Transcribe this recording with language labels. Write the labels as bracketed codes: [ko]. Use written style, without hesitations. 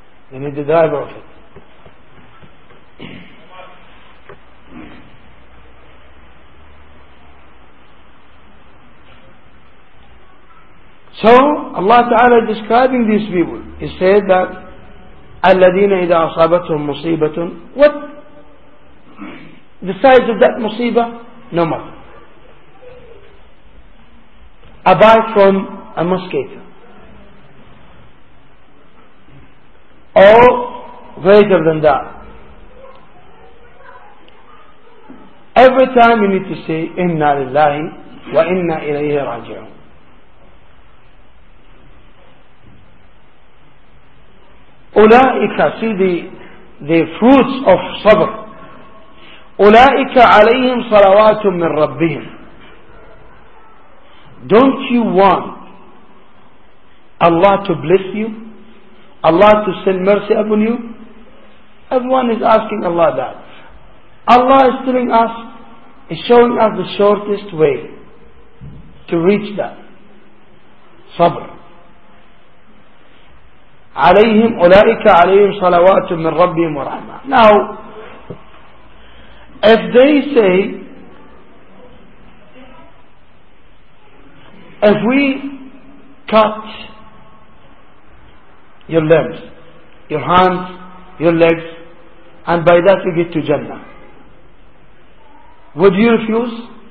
[en] They need the driver of it. So Allah Ta'ala describing these people. He said that [ar] الَّذِينَ إِذَا أَصَابَتْهُمْ مُصِيبَةٌ. [en] What? The size of that musibah? No matter. A bite from a mosquito. Or greater than that. Every time you need to say, [ar] Inna lillahi وإنا إليه راجعون. أولئك, [en] see the fruits of [ar] صبر, أولئك عليهم صلوات من ربهم. [en] Don't you want Allah to bless you, Allah to send mercy upon you? Everyone is asking Allah that. Allah is telling us, is showing us the shortest way to reach that. Sabr. [ar] عليهم أولئك عليهم صلوات من ربهم ورحمة. [en] Now, if they say, if we cut your limbs, your hands, your legs, and by that you get to Jannah, would you refuse?